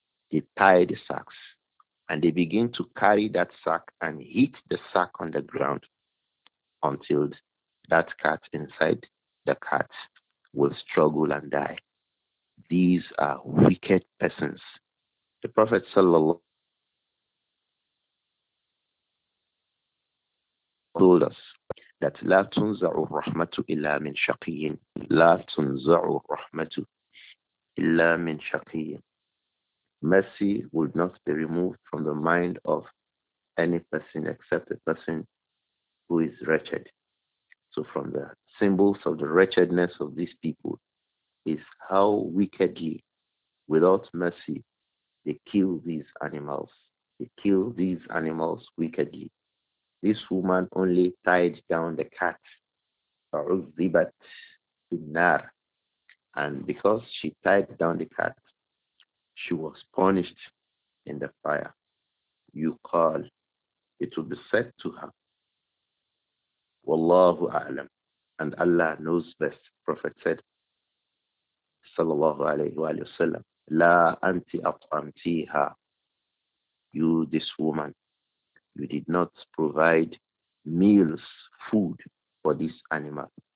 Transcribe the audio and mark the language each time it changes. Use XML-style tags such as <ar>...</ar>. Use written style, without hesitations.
<en>They tie the sacks and they begin to carry that sack and hit the sack on the ground until that cat inside the cat will struggle and die. These are wicked persons. The Prophet told us that</en> <ar>لا تنزع الرحمة إلا من شقي. لا تنزع الرحمة إلا من شقي.</ar> <en>Mercy would not be removed from the mind of any person except a person who is wretched. So from the symbols of the wretchedness of these people is how wickedly, without mercy, they kill these animals. They kill these animals wickedly. This woman only tied down the cat,</en> <ar>عُذِّبَتْ بِالنَّارِ.</ar> <en>And because she tied down the cat, she was punished in the fire. You call, it will be said to her,</en> <ar>وَاللَّهُ أَعْلَمْ.</ar> <en>And Allah knows best. Prophet said,</en> <ar>صلى الله عليه وآله وسلم, لَا أَنْتِ أَطْعَمْتِيهَا.</ar> <en>You, this woman, you did not provide meals, food for this animal.</en>